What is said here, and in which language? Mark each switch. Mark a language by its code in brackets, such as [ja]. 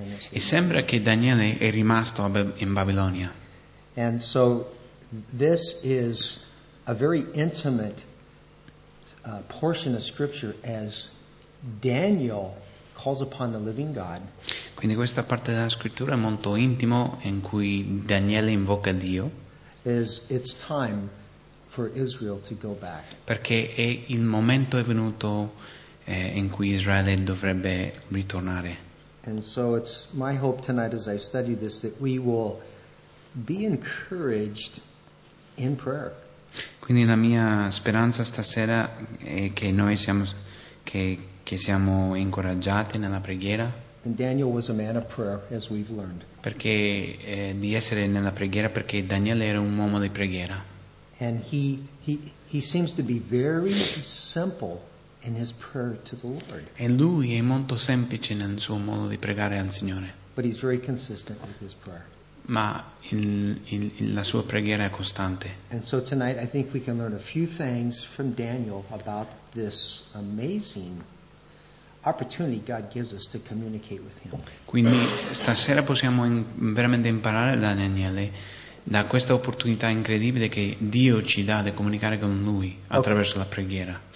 [it] E sembra che Daniele è rimasto in Babilonia. [en] And so this is a very intimate portion of scripture as Daniel calls upon the living God. [it] Quindi questa parte della scrittura è molto intimo in cui Daniele invoca Dio. [en] It's time for Israel to go back. [it] Perché è il momento è venuto in cui Israele dovrebbe ritornare. [en] And so it's my hope tonight as I study this that we will be encouraged in prayer. [it] Quindi la mia speranza stasera è che noi siamo incoraggiati nella preghiera. [en] And Daniel was a man of prayer, as we've learned. [it] Perché di essere nella preghiera, perché Daniele era un uomo di preghiera. [en] And he seems to be very simple in his prayer to the Lord. [it] E lui è molto semplice nel suo modo di pregare al Signore. [en] But he's very consistent with his prayer. [it] Ma la sua preghiera è costante. [en] And so tonight I think we can learn a few things from Daniel about this amazing opportunity God gives us to communicate with him. [it] Quindi stasera possiamo veramente imparare da Daniele, da questa opportunità incredibile che Dio ci dà di comunicare con lui attraverso la preghiera.